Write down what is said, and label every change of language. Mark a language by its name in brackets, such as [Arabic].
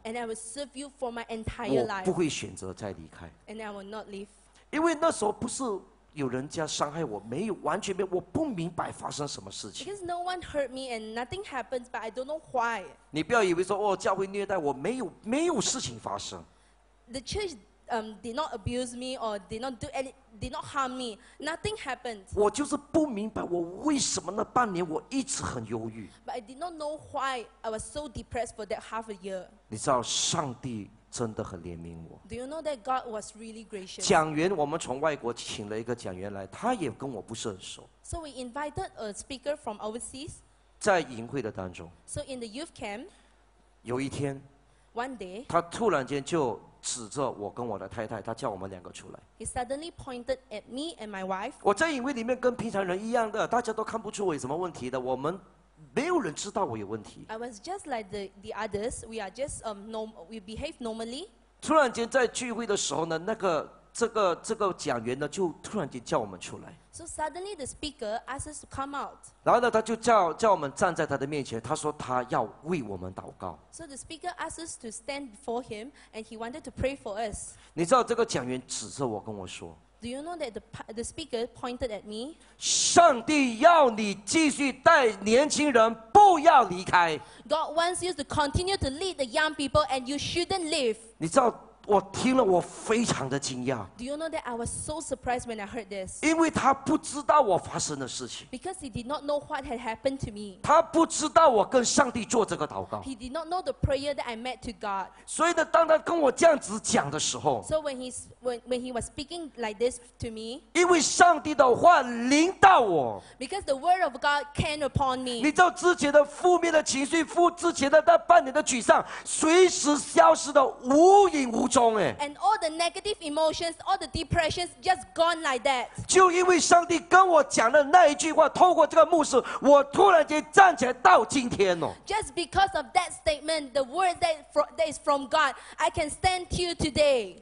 [English] ，And I will serve you for my entire life， [Chinese] 我不会选择再离开 [English] ，And I will not leave。 [Chinese] 因为那时候不是有人家伤害我，没有，完全没有，我不明白发生什么事情。 [English] Because no one hurt me and nothing happens, but I don't know why. [Chinese] 你不要以为说哦，教会虐待我，没有，没有事情发生。 [English] The church did not abuse me or did not do any, did not harm me. Nothing happened. [Chinese] 我就是不明白我为什么那半年我一直很忧郁。 [English] But I did not know why I was so depressed for that half a year. [Chinese] 你知道上帝真的很怜悯我。 [English] Do you know that God was really gracious? [Chinese] 讲员，我们从外国请了一个讲员来，他也跟我不是很熟。 [English] So we invited a speaker from overseas. [Chinese] 在营会的当中。 [English] So in the youth camp. [Chinese] 有一天。 [English] One day. [Chinese] 他突然间就指着我跟我的太太，他叫我们两个出来。 [English] He suddenly pointed at me and my wife. [Chinese] 我在营会里面跟平常人一样的，大家都看不出我有什么问题的，我们。没有人知道我有问题。 [English] I was just like the others. We are just normal. We behave normally. [Chinese] 突然间在聚会的时候呢，那个这个讲员呢，就突然间叫我们出来。 [English] So suddenly the speaker asked us to come out. [Chinese] 然后呢，他就叫我们站在他的面前，他说他要为我们祷告。 [English] So the speaker asked us to stand before him, and he wanted to pray for us. [Chinese] 你知道这个讲员指着我跟我说。 [English] Do you know that the speaker pointed at me? [Chinese] 上帝要你继续带年轻人，不要离开。 [English] God wants you to continue to lead the young people, and you shouldn't leave. [Chinese] 你知道我听了，我非常的惊讶。 [English] Do you know that I was so surprised when I heard this? [Chinese] 因为他不知道我发生的事情。 [English] Because he did not know what had happened to me. [Chinese] 他不知道我跟上帝做这个祷告。 [English] He did not know the prayer that I made to God. [Chinese] 所以呢，当他跟我这样子讲的时候 [English] ，So when he was speaking like this to me， [Chinese] 因为上帝的话临到我。 [English] Because the word of God came upon me. [Chinese] 你知道之前的负面的情绪，之前的那半年的沮丧，随时消失的无影无踪。 [English] And all the negative emotions, all the depressions, just gone like that. [Chinese] 就因为上帝跟我讲的那一句话，透过这个牧师，我突然间站起来到今天哦。 [English] Just because of that statement, the word that is from God, I can stand here today.